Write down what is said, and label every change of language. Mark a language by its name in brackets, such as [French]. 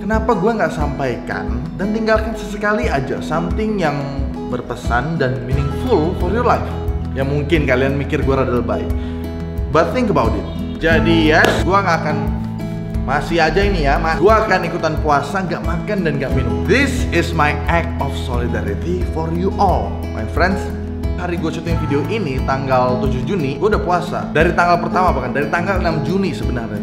[Indonesian] Kenapa gue gak sampaikan dan tinggalkan sesekali aja something yang berpesan dan [English] meaningful for your life. [Indonesian] Ya mungkin kalian mikir gue rada lebay. [English] But think about it. [Indonesian] Jadi yes, gue gak akan masih aja ini ya, mah. Gua akan ikutan puasa, gak makan dan gak minum. [English] This is my act of solidarity for you all, my friends. [Indonesian] Hari gua syuting video ini, tanggal 7 Juni, gua udah puasa. Dari tanggal pertama bahkan, dari tanggal 6 Juni sebenarnya.